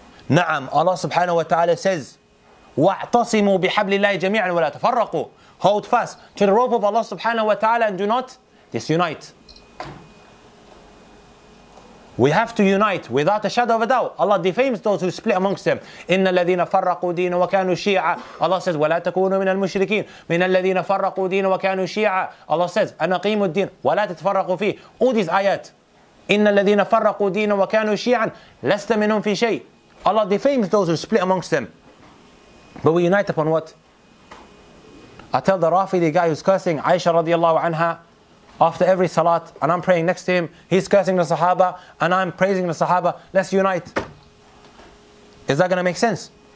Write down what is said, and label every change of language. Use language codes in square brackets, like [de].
[ar] Na'am, [en] Allah subhanahu wa ta'ala says, [ar] وَاعْتَصِمُوا بِحَبْلِ اللَّهِ جَمِيعًا وَلَا تَفَرَّقُوا. [en] Hold fast to the rope of Allah subhanahu wa ta'ala and do not disunite. We have to unite without a shadow of a doubt. Allah defames those who split amongst them. [ar] إِنَّ الَّذِينَ فَرَّقُوا دِينَ وَكَانُوا شِيعًا. [en] Allah says, [ar] وَلَا تَكُونُوا مِنَ الْمُشْرِكِينَ. مِنَ الَّذِينَ فَرَّقُوا دِينَ وَكَانُوا شِيعًا. [en] Allah says, [ar] أَنَقِيمُوا الدِّينَ وَلَا تَتْفَرَّقُوا فِيهِ. [en] All these ayat. [ar] إِنَّ الَّذِينَ فَرَّقُوا دِينَ وَكَانُوا شِيعًا. لَسْتَ مِنْهُمْ فِي شَيْءٍ. [en] Allah defames those who split amongst them. But we unite upon what? I tell the Rafidi guy who's cursing Aisha radiallahu anha after every salat, and I'm praying next to him, he's cursing the Sahaba and I'm praising the Sahaba, let's unite. Is that going to make sense?